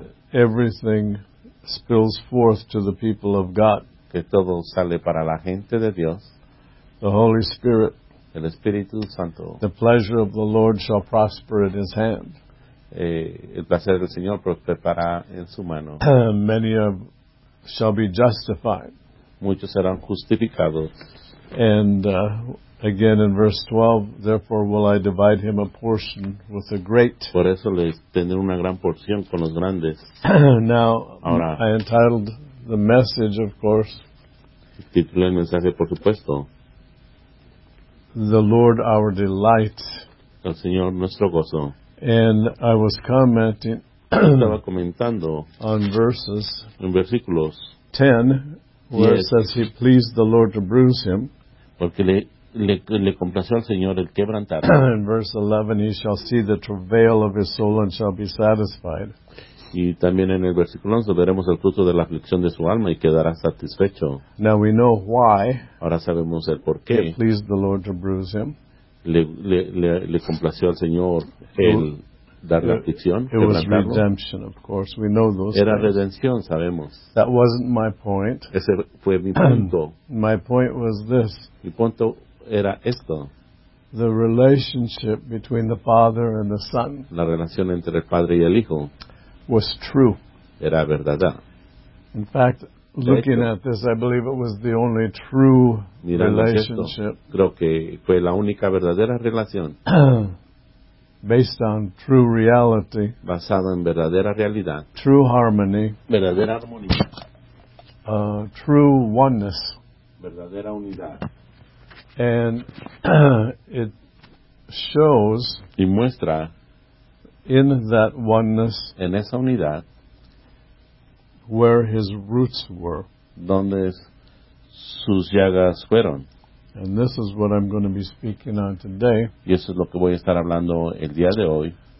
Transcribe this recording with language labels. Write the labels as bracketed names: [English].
[English] that everything spills forth to the people of God, [Spanish] que todo sale para la gente de Dios, [English] the Holy Spirit, [Spanish] el Espíritu Santo. [English] The pleasure of the Lord shall prosper in His hand. [Spanish] El placer del Señor prosperará en su mano. [English] Many shall be justified. [Spanish] Muchos serán justificados. [English] And again in verse 12, therefore will I divide him a portion with the great. [Spanish] Por eso les tendré una gran porción con los grandes. [English] Now, [Spanish] ahora, [English] I entitled the message, of course. [Spanish] Titulé el mensaje, por supuesto. [English] The Lord, our delight. [Spanish] El Señor, nuestro gozo. [English] And I was commenting [Spanish] estaba comentando [English] on verses [Spanish] en versículos [English] 10, where it says, He pleased the Lord to bruise him. [Spanish] Porque le complació al Señor el quebrantar. [English] In verse 11, He shall see the travail of his soul and shall be satisfied. [Spanish] Y también en el versículo 11 veremos el fruto de la aflicción de su alma y quedará satisfecho. [English] Now we know why. [Spanish] Ahora sabemos el por qué. [English] It pleased the Lord to bruise him. [Spanish] Le complació al Señor el dar la aflicción. [English] It was redemption, of course. We know those [Spanish] era things. Redención, sabemos. [English] That wasn't my point. [Spanish] Ese fue mi punto. [English] My point was this. [Spanish] Mi punto era esto. [English] The relationship between the Father and the Son. [Spanish] La relación entre el Padre y el Hijo. [English] Was true. [Spanish] Era verdad. [English] In fact, looking at this, I believe it was the only true relationship. [Spanish] Creo que fue la única verdadera relación. [English] Based on true reality. [Spanish] Basado en verdadera realidad. [English] True harmony. [Spanish] Verdadera armonía. [English] True oneness. [Spanish] Verdadera unidad. [English] And it shows. [Spanish] Y muestra. [English] In that oneness. [Spanish] En esa unidad. [English] Where his roots were. [Spanish] Donde sus llagas fueron. [English] And this is what I'm going to be speaking on today. [Spanish] Y eso es lo que voy a estar hablando el día de hoy.